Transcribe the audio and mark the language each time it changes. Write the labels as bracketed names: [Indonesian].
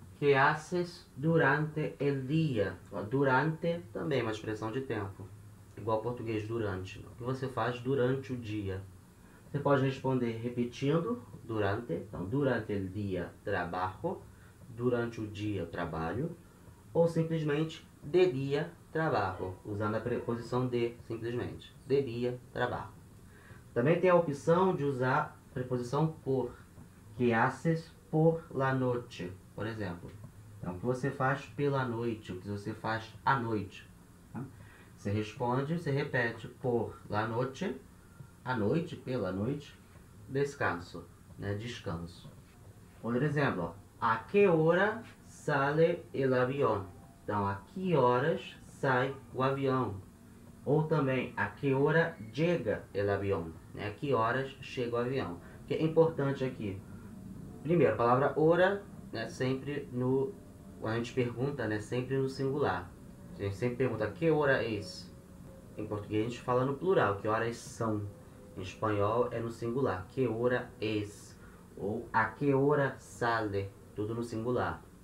[Spanish] Que haces durante el día? [Portuguese] Durante também é uma expressão de tempo. Igual ao português durante. O que você faz durante o dia? Você pode responder repetindo durante. Então, [Spanish] durante el día trabajo. [Portuguese] Durante o dia trabalho. Ou simplesmente [Spanish] de día trabajo, [Portuguese] usando a preposição de, simplesmente. [Spanish] De dia, trabajo. [Portuguese] Também tem a opção de usar a preposição por. [Spanish] Que haces por la noche, [Portuguese] por exemplo. Então, o que você faz pela noite, o que você faz à noite. Tá? Você responde, você repete, [Spanish] por la noche, [Portuguese] à noite, pela noite, descanso, né? Descanso. Outro exemplo, [Spanish] a que hora sale el avión? [Portuguese] Então, a que horas sai o avião? Ou também, [Spanish] a que hora llega el avión? [Portuguese] Né? A que horas chega o avião? O que é importante aqui? Primeiro, a palavra hora, né, sempre no, quando a gente pergunta, né, sempre no singular. A gente sempre pergunta, que hora é isso? Em português a gente fala no plural, que horas são? Em espanhol é no singular, que hora é isso? Ou [Spanish] a que hora sale? [Portuguese] Tudo no singular.